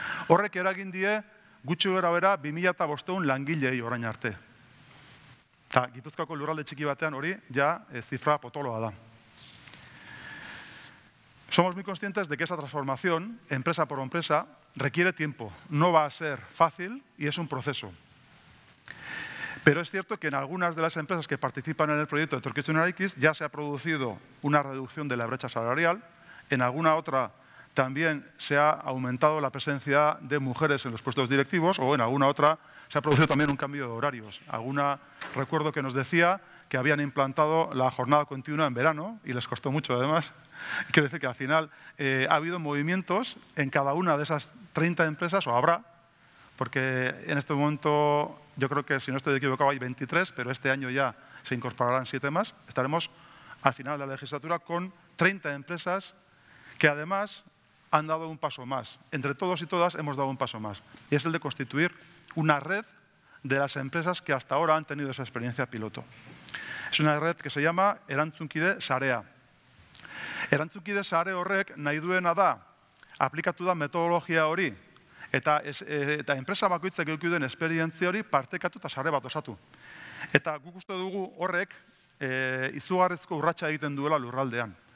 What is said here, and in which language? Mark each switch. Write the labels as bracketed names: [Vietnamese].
[Basque] Horrek eragin die gutxi gorabehera 2500 langilei orain arte. Eta Gipuzkoako lurralde txiki batean hori ja zifra potoloa da. [Spanish] Somos muy conscientes de que esa transformación, empresa por empresa, requiere tiempo. No va a ser fácil y es un proceso. Pero es cierto que en algunas de las empresas que participan en el proyecto de Etorkizun Eraikiz ya se ha producido una reducción de la brecha salarial, en alguna otra también se ha aumentado la presencia de mujeres en los puestos directivos o en alguna otra se ha producido también un cambio de horarios. Alguna recuerdo que nos decía que habían implantado la jornada continua en verano y les costó mucho además. Quiero decir que al final ha habido movimientos en cada una de esas 30 empresas, o habrá, porque en este momento yo creo que, si no estoy equivocado, hay 23, pero este año ya se incorporarán 7 más. Estaremos al final de la legislatura con 30 empresas que además han dado un paso más. Entre todos y todas hemos dado un paso más. Y es el de constituir una red de las empresas que hasta ahora han tenido esa experiencia piloto. Es una red que se llama Erantzunkide Sarea. [Basque] Erantzunkide Sare horrek nahi duena da, aplikatu da metodologia hori, eta enpresa bakoitzak eduki duen esperientzia hori partekatu eta sare bat osatu. Eta guk uste dugu horrek izugarrizko urratsa egiten duela lurraldean.